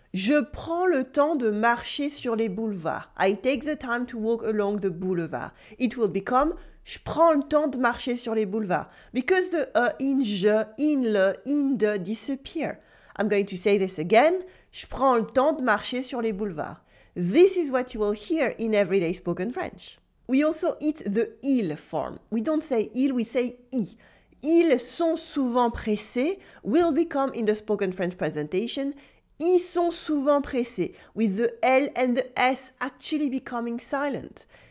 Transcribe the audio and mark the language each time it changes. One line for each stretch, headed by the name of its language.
French: Je prends le temps de marcher sur les boulevards.
English: I take the time to walk along the boulevard. It will become
French: je prends le temps de marcher sur les boulevards.
English: Because the E in je, in le, in de disappear. I'm going to say this again.
French: Je prends le temps de marcher sur les boulevards.
English: This is what you will hear in everyday spoken French. We also eat the il form. We don't say il, we say I.
French: Ils sont souvent pressés
English: will become in the spoken French presentation.
French: Ils sont souvent pressés,
English: with the L and the S actually becoming silent.